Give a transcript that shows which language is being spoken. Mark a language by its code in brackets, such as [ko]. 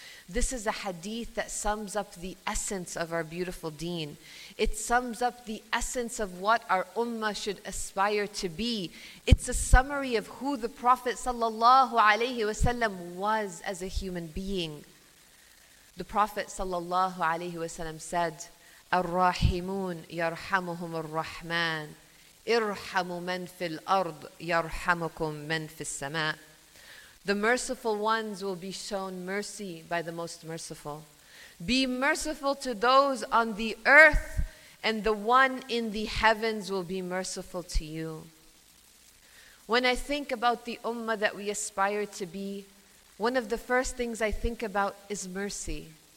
[en] This is a hadith that sums up the essence of our beautiful deen. It sums up the essence of what our ummah should aspire to be. It's a summary of who the Prophet sallallahu alayhi wasallam was as a human being. The Prophet sallallahu alayhi wasallam said, [ar] الراحمون يرحمهم الرحمن ارحموا من في الأرض يرحمكم من في السماء. [en] The merciful ones will be shown mercy by the most merciful. Be merciful to those on the earth, and the one in the heavens will be merciful to you. When I think about the ummah that we aspire to be, one of the first things I think about is mercy.